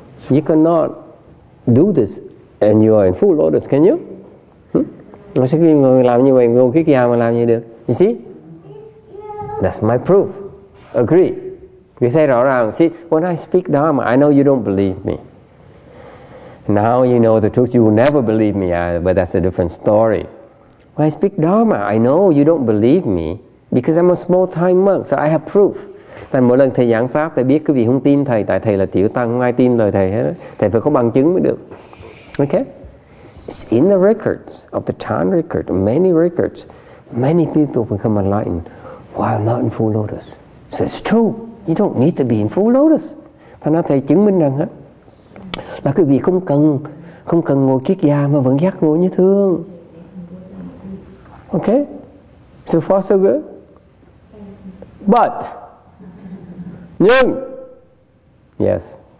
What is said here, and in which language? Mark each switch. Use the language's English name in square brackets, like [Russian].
[English] You cannot do this and you are in full lotus, can you? [Vietnamese] Nó sẽ khi người làm như vậy, ngồi kiết già mà làm như được. [English] You see? That's my proof. Agree? We say [Vietnamese] rõ ràng. [English] See, when I speak Dharma, I know you don't believe me. Now you know the truth. You will never believe me either, but that's a different story. When I speak Dharma, I know you don't believe me because I'm a small time monk, so I have proof. [Vietnamese] Thầy mỗi lần thầy giảng pháp, thầy biết quý vị không tin thầy, tại thầy là tiểu tăng, không ai tin lời thầy hết. Thầy phải có bằng chứng mới được. [English] Okay? It's in the records of the Chan record, many records, many people become enlightened while not in full lotus. So it's true. You don't need to be in full lotus. [Vietnamese] Thầy nói thầy chứng minh rằng á, là quý vị không cần ngồi kiết già mà vẫn giác ngộ như thường. [English] Okay? So far so good. But nhưng yes.